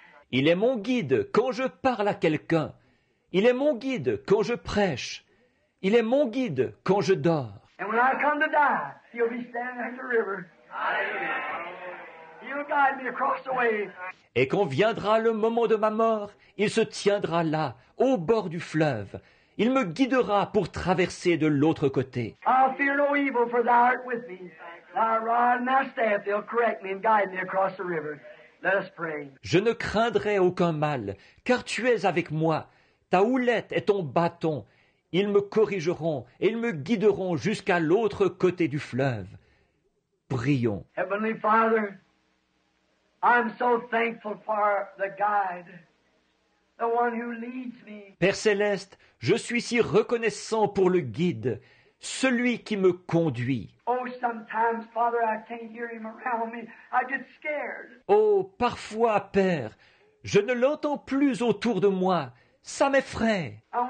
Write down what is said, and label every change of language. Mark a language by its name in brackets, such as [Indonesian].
[French] Il est mon guide quand je parle à quelqu'un. Il est mon guide quand je prêche. Il est mon guide quand je dors. [English] And when I come to die, he'll be standing at the river. He'll guide me across the way. [French] Et quand viendra le moment de ma mort, il se tiendra là, au bord du fleuve. Il me guidera pour traverser de l'autre côté. [English] I'll fear no evil, for thou art with me. Thy rod and thy staff, they'll correct me and guide me across the river. Let us pray. [French] Je ne craindrai aucun mal, car tu es avec moi. Ta houlette et ton bâton, ils me corrigeront et ils me guideront jusqu'à l'autre côté du fleuve. Prions. [English] Heavenly Father, I'm so thankful for the guide, the one who leads me. [French] Père Céleste, je suis si reconnaissant pour le guide, celui qui me conduit. [English] Oh, sometimes, Father, I can't hear him around me. I get scared. [French] Oh, parfois, Père, je ne l'entends plus autour de moi. Ça m'effraie.